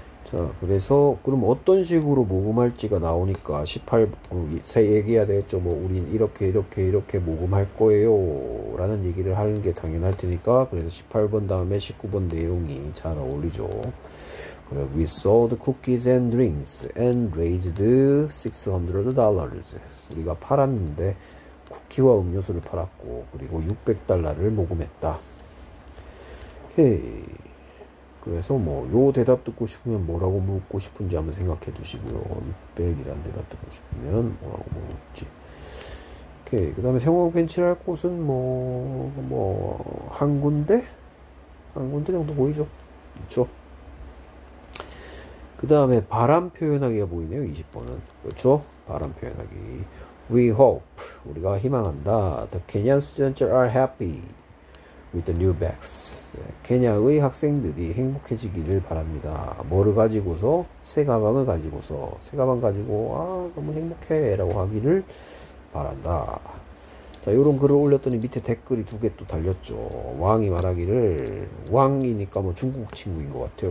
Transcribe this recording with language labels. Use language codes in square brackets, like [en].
[ko] 자, 그래서 그럼 어떤 식으로 모금할지가 나오니까 18, 세 얘기해야 되겠죠. 뭐 우린 이렇게 이렇게 이렇게 모금할 거예요 라는 얘기를 하는 게 당연할 테니까 그래서 18번 다음에 19번 내용이 잘 어울리죠. [en] 그래, we sold cookies and drinks and raised $600. [ko] 우리가 팔았는데 쿠키와 음료수를 팔았고 그리고 600달러를 모금했다. 오케이. 그래서 뭐요 대답 듣고 싶으면 뭐라고 묻고 싶은지 한번 생각해 두시고요. 600이란 대답 듣고 싶으면 뭐라고 묻지. 오케이. 그 다음에 형광펜칠 할 곳은 뭐뭐한 군데? 한 군데 정도 보이죠? 그렇죠? 그 다음에 바람 표현하기가 보이네요. 20번은. 그렇죠? 바람 표현하기. [en] We hope. [ko] 우리가 희망한다. [en] The Kenyan students are happy with the new bags. [ko] 케냐의 학생들이 행복해지기를 바랍니다. 뭐를 가지고서? 새 가방을 가지고서. 새 가방 가지고, 아, 너무 행복해. 라고 하기를 바란다. 자, 요런 글을 올렸더니 밑에 댓글이 두개또 달렸죠. 왕이 말하기를, 왕이니까 뭐 중국 친구인 것 같아요.